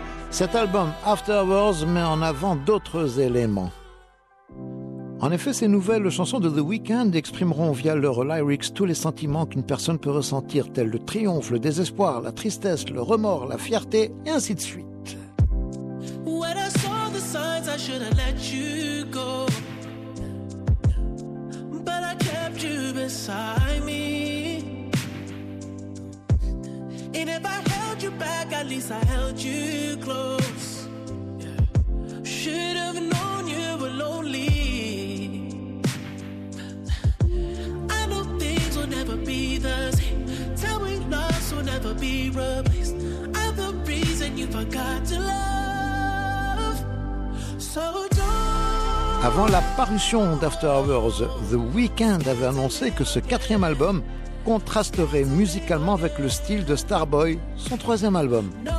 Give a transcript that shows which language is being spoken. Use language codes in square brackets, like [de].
[fr] Cet album, After Hours, met en avant d'autres éléments. En effet, ces nouvelles chansons de The Weeknd exprimeront via leurs lyrics tous les sentiments qu'une personne peut ressentir, tels le triomphe, le désespoir, la tristesse, le remords, la fierté, et ainsi de suite. [en] When I saw the signs, I should have let you go. But I kept you beside me. And if I held you back, at least I held you close. Should have known you were lonely. I know things will never be the same. Telling lies will never be replaced. I'm the reason you forgot to love. So don't. [fr] Avant la parution d'After Hours, The Weeknd avait annoncé que ce quatrième album contrasterait musicalement avec le style de Starboy, son troisième album.